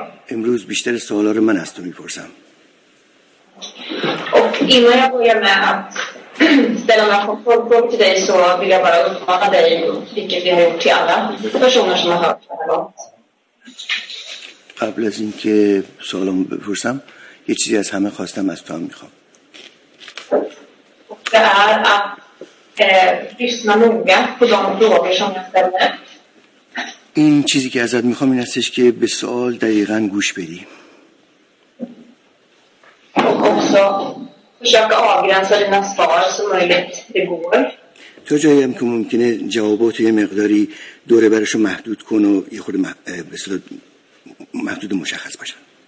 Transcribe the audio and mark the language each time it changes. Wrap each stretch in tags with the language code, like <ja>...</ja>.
<fa>امروز بیشتر سوالا رو من از تو میپرسم.</fa> <sv>Och innan jag börjar med att ställa några frågor till dig så vill jag bara uppmana dig, vilket vi har gjort till alla personer som har hört.</sv> <fa>قبل از اینکه سوالم بپرسم یه چیزی از همه خواستم از تو هم میخوام.</fa> <sv>Det är att lyssna noga på de frågor som jag ställer.</sv> <fa>این چیزی که ازت میخوام این استش که به سوال دقیقاً گوش بدی.</fa> <sv>Och också försöka avgränsa dina svar så möjligt det går.</sv> <fa>تو جایی هم که ممکنه جوابات یه مقداری دوره برشو محدود کن و یه خود به صورت محدود و مشخص باشن.</fa>